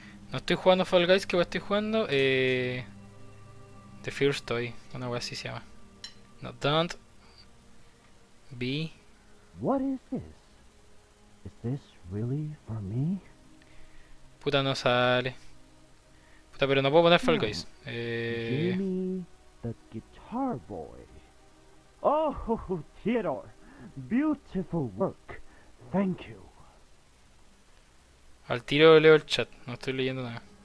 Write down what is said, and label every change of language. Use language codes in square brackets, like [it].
[es] No estoy jugando Fall Guys, que estoy jugando The First Toy, una wea así se llama. [en] No, don't be. What is this? Is this really for me? [es] Puta, no sale. Puta, pero no puedo poner Fall Guys. [en] Jimmy the Guitar Boy. Oh, Theodore, beautiful work. Thank you. [es] Al tiro leo el chat, no estoy leyendo nada.